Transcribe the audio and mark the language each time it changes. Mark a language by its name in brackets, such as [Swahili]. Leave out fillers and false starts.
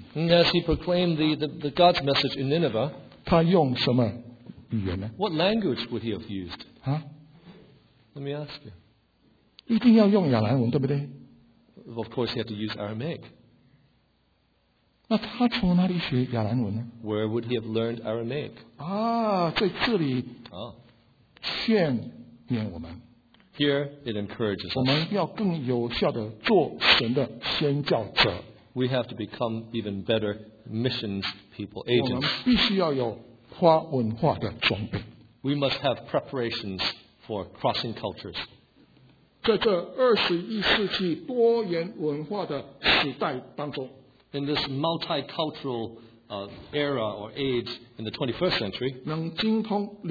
[English] and as he proclaimed the God's message in Nineveh, [Chinese] 他用什么语言呢? [English] What language would he have used? Let me ask you. [Chinese] 一定要用亚兰文，对不对? [English] Of course, he had to use Aramaic. [Chinese] 那他从哪里学亚兰文呢? [English] Where would he have learned Aramaic? [Chinese] 啊，在这里劝勉我们。 [English] Here it encourages us. [Chinese] 我们要更有效地做神的宣教者。 [English] We have to become even better missions people, agents. [Chinese] 我们必须要有跨文化的装备。 [English] We must have preparations for crossing cultures. [Chinese] 在这21世纪多元文化的时代当中, [English] in this multicultural era or age in the 21st century,